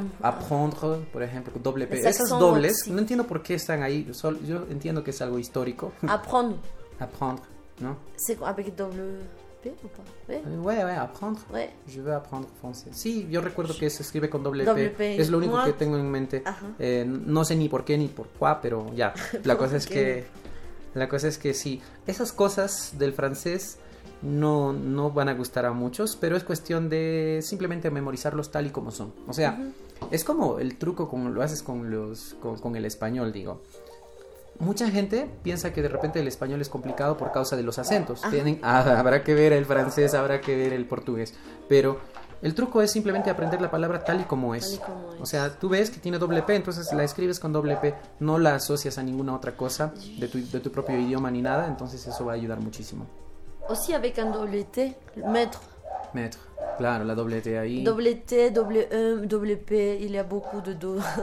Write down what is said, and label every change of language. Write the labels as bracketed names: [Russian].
[Spanish] Apprendre, por ejemplo, doble P. Esas dobles, no entiendo por qué están ahí. Yo entiendo que es algo histórico. [French] Apprendre, [Spanish] ¿no? [French] C'est quoi, avec doble P ou pas? Ouais, apprendre. Ouais. Je veux apprendre français. [Spanish] Sí, yo recuerdo que se escribe con doble P. Es lo único que tengo en mente. No sé ni por qué ni por qué, pero ya. La cosa es que. La cosa es que sí. Esas cosas del francés. No van a gustar a muchos, pero es cuestión de simplemente memorizarlos tal y como son. O sea, es como el truco como lo haces con el español, digo. Mucha gente piensa que de repente el español es complicado por causa de los acentos. Habrá que ver el francés, habrá que ver el portugués. Pero el truco es simplemente aprender la palabra tal y como es. Tal y como es. O sea, tú ves que tiene doble P, entonces la escribes con doble P. No la asocias a ninguna otra cosa de tu propio idioma ni nada. Entonces eso va a ayudar muchísimo. [French] Aussi avec un doble T, maître. [Spanish] Maître, claro, la doble T ahí. Doble T, doble E, doble P, [French] il y a beaucoup de do.